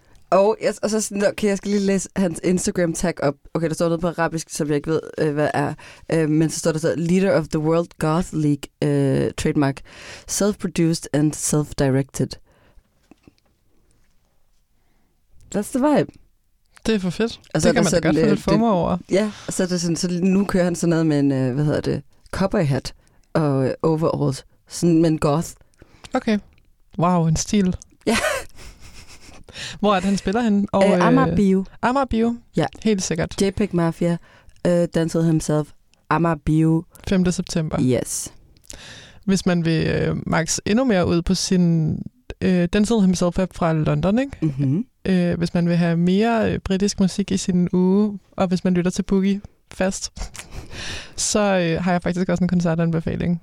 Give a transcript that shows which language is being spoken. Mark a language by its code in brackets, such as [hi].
[da] Og, og så sådan, okay, jeg skal lige læse hans Instagram-tag op. Okay, der står noget på arabisk, som jeg ikke ved, hvad er. Men så står der så, [en] Leader of the World Goth League trademark. Self-produced and self-directed. That's the vibe. [da] Det er for fedt. Og så det kan man da godt få lidt former over. Ja, og så er det sådan, så nu kører han sådan noget med en, hvad hedder det, cowboy hat og overalls. Sådan med en goth. Okay. Wow, en stil. Ja. Hvor er det, han spiller henne? Amager Bio. Amager Bio? Ja. Helt sikkert. JPEGMAFIA Denzel Himself. Amager Bio. 5. september. [en] Yes. [da] Hvis man vil max endnu mere ud på sin Denzel Himself fra London, ikke? Mm-hmm. Hvis man vil have mere britisk musik i sin uge, og hvis man lytter til Bugi fast, så har jeg faktisk også en koncertanbefaling.